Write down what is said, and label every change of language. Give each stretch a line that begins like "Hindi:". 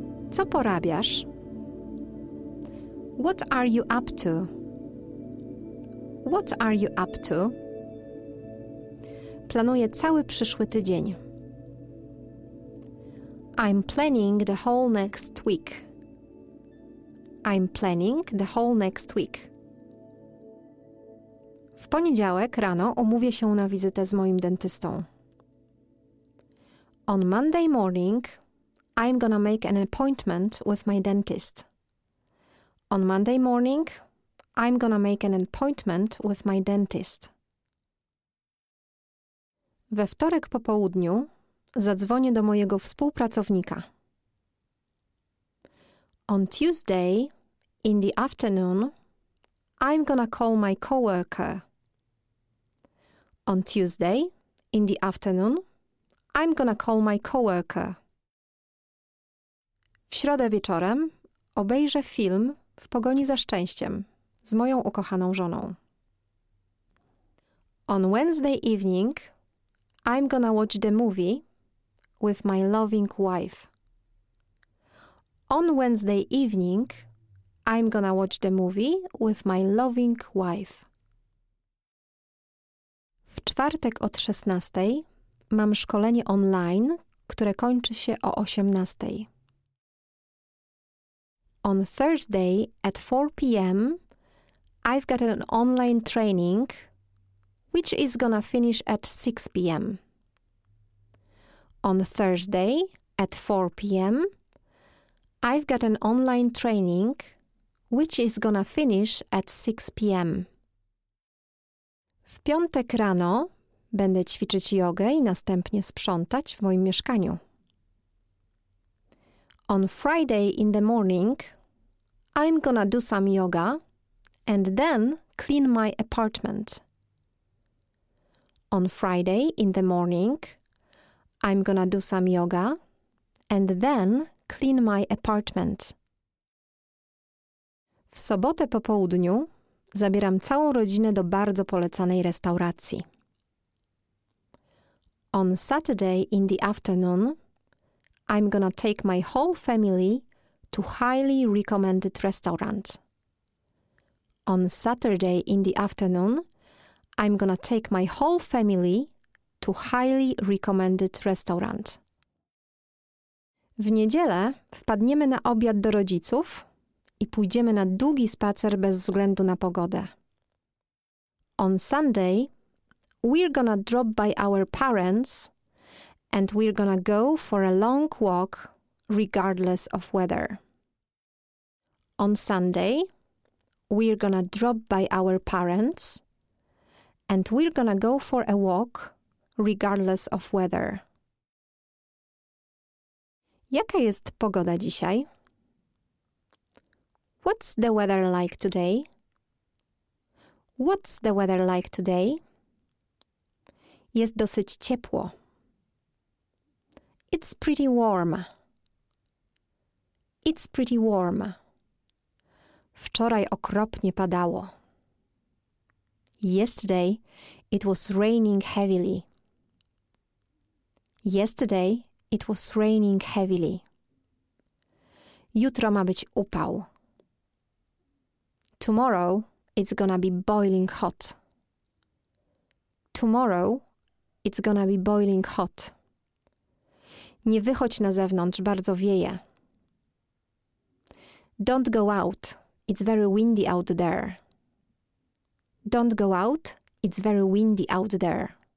Polish: Co porabiasz?
English: What are you up to? What are you up to?
Polish: Planuję cały przyszły tydzień.
English: I'm planning the whole next week. I'm planning the whole next week.
Polish: W poniedziałek rano umówię się na wizytę z moim dentystą.
English: On Monday morning, I'm gonna make an appointment with my dentist. On Monday morning, I'm gonna make an appointment with my dentist.
Polish: We wtorek po południu zadzwonię do mojego współpracownika.
English: On Tuesday, in the afternoon, I'm gonna call my coworker. On Tuesday, in the afternoon, I'm gonna call my coworker.
Polish: W środę wieczorem obejrzę film W pogoni za szczęściem z moją ukochaną żoną.
English: On Wednesday evening, I'm gonna watch the movie with my loving wife. On Wednesday evening, I'm gonna watch the movie with my loving wife.
Polish: W czwartek od 16 mam szkolenie online, które kończy się o 18.
English: On Thursday at 4 p.m., I've got an online training, which is gonna finish at 6 p.m. On Thursday at 4 p.m., I've got an online training, which is gonna finish at 6 p.m.
Polish: W piątek rano będę ćwiczyć jogę i następnie sprzątać w moim mieszkaniu.
English: On Friday in the morning, I'm gonna do some yoga and then clean my apartment. On Friday in the morning, I'm gonna do some yoga and then clean my apartment.
Polish: W sobotę po południu zabieram całą rodzinę do bardzo polecanej restauracji.
English: On Saturday in the afternoon, I'm gonna take my whole family to highly recommended restaurant. On Saturday in the afternoon, I'm gonna take my whole family to highly recommended restaurant.
Polish: W niedzielę wpadniemy na obiad do rodziców i pójdziemy na długi spacer bez względu na pogodę.
English: On Sunday, we're gonna drop by our parents and we're gonna go for a long walk regardless of weather. On Sunday, we're gonna drop by our parents and we're gonna go for a walk regardless of weather.
Polish: Jaka jest pogoda dzisiaj?
English: What's the weather like today? What's the weather like today?
Polish: Jest dosyć ciepło.
English: It's pretty warm. It's pretty warm.
Polish: Wczoraj okropnie padało.
English: Yesterday it was raining heavily. Yesterday it was raining heavily.
Polish: Jutro ma być upał.
English: Tomorrow it's gonna be boiling hot. Tomorrow it's gonna be boiling hot.
Polish: Nie wychodź na zewnątrz, bardzo wieje.
English: Don't go out. It's very windy out there. Don't go out. It's very windy out there.